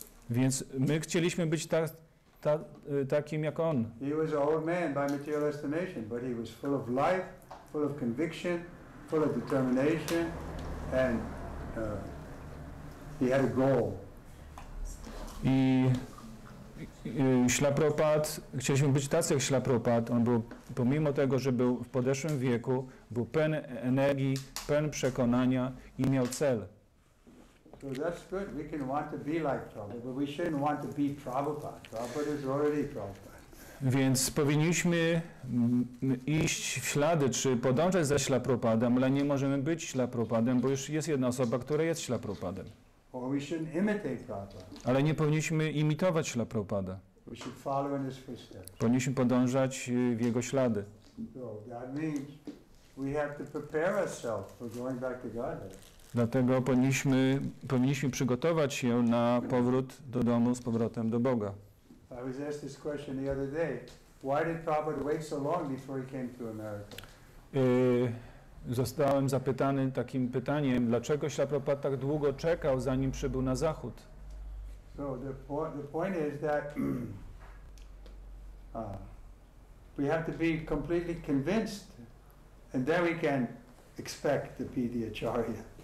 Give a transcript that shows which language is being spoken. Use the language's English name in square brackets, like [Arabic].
[Polish] Więc my chcieliśmy być takim jak on. [English] He was an old man by material estimation, but he was full of life, full of conviction, full of determination, and he had a goal. [Polish] I Śrila Prabhupada, chcieliśmy być tacy jak Śrila Prabhupada. On był, pomimo tego, że był w podeszłym wieku, był pełen energii, pełen przekonania i miał cel. [English] So that's good. We can want to be like Prabhupada, but we shouldn't want to be Prabhupada. Prabhupada is already Prabhupada. [Polish] Więc powinniśmy iść w ślady, czy podążać za Śrila Prabhupadem, ale nie możemy być Śrila Prabhupadem, bo już jest jedna osoba, która jest Śrila Prabhupadem. [English] Or we shouldn't imitate Prabhupada. [Polish] Ale nie powinniśmy imitować Śrila Prabhupada. [English] We should follow in his footsteps. [Polish] Powinniśmy podążać w jego ślady. [English] So that means we have to prepare ourselves for going back to Godhead. [Polish] Dlatego powinniśmy przygotować się na powrót do domu z powrotem do Boga. [English] I was asked this question the other day. Why did Prabhupada wait so long before he came to America? [Polish] Zostałem zapytany takim pytaniem, dlaczego Śrīla Prabhupāda tak długo czekał, zanim przybył na zachód? [English] So the point is that we have to be completely convinced and then we can expect to be the acharya.